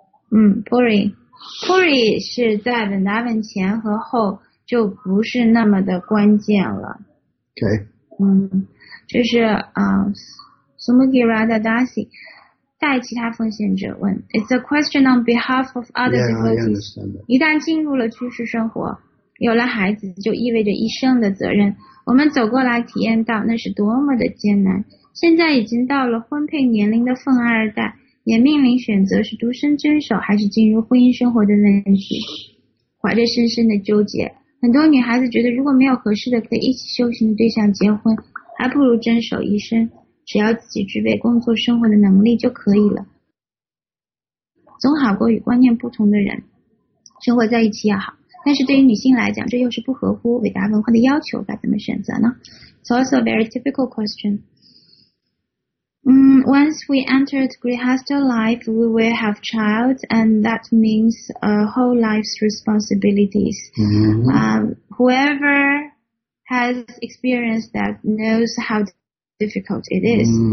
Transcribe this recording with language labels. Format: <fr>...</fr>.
<zh>Puri. Puri 是在 Vrindavan 前和后就不是那么的关键了。</zh> <en>Okay.</en> <zh>这是Sumugi Radha Dasi. 带其他奉献者问</zh> <en>It's a question on behalf of others. Yeah, I understand that.</en> <zh>一旦进入了居士生活，有了孩子，就意味着一生的责任。我们走过来体验到那是多么的艰难。现在已经到了婚配年龄的凤二代，也面临选择是独身遵守还是进入婚姻生活的问题，怀着深深的纠结。很多女孩子觉得，如果没有合适的可以一起修行的对象结婚，还不如遵守一生。只要自己具备工作生活的能力就可以了，总好过与观念不同的人生活在一起也好。但是对于女性来讲，这又是不合乎伟大文化的要求，该怎么选择呢？</zh> <en>It's also a very typical question. Once we entered Grihastha life, we will have child, and that means a whole life's responsibilities. Whoever has experienced that knows howdifficult it is.</en>